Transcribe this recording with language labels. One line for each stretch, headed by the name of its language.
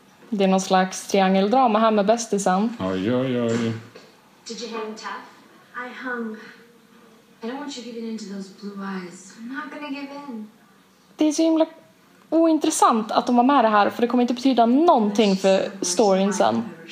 Swedish: Det är någon slags triangeldrama här med bästisen. Oj, oj, oj.
English: Did you hang tough? I hung. I don't want you giving in to those blue eyes. I'm not gonna give in.
Swedish: Det är så himla ointressant att de var med det här, för det kommer inte betyda någonting för storyn sen.